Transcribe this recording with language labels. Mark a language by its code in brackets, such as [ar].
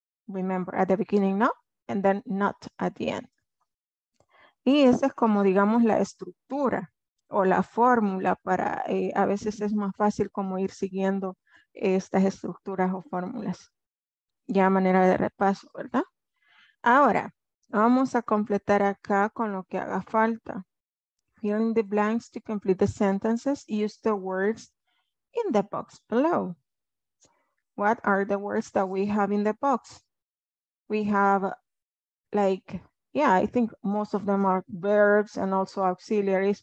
[en] Remember, at the beginning no, and then not at the end. [es] Y esa es como digamos la estructura. O la fórmula para, a veces es más fácil como ir siguiendo estas estructuras o fórmulas. Ya a manera de repaso, ¿verdad? Ahora, vamos a completar acá con lo que haga falta. [en] Fill in the blanks to complete the sentences. Use the words in the box below. What are the words that we have in the box? We have like, yeah, I think most of them are verbs and also auxiliaries.